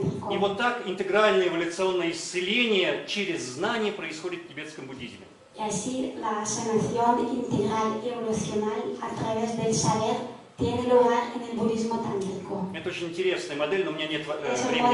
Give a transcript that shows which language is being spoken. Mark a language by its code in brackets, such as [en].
[ru] И вот так интегральное эволюционное исцеление через знание происходит в тибетском буддизме. [es] Y así la sanación integral y evolucional a través del saber tiene lugar en el budismo tántrico. [ru] Это очень интересная модель, но у меня нет времени